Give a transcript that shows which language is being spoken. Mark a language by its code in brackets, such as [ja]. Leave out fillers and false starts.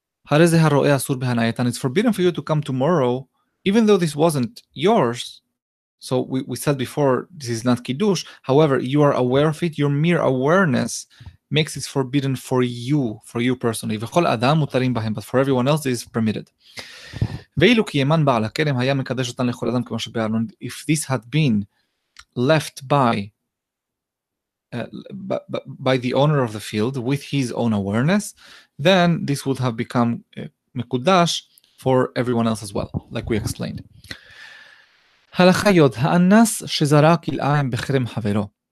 [en] It's forbidden for you to come tomorrow, even though this wasn't yours. So we said before, this is not kiddush. However, you are aware of it. Your mere awareness makes it forbidden for you personally. [he] וכל אדם מותרים בהם, [en] but for everyone else, it is permitted. [he] ואילו קיימן בעל הכרם היה מקדש אותן לכל אדם כמו שבארון. [en] If this had been left by the owner of the field with his own awareness, then this would have become mekudash for everyone else as well, like we explained. [he] Halakha yod, ha'anas shezara kil'ayim bechrem havero.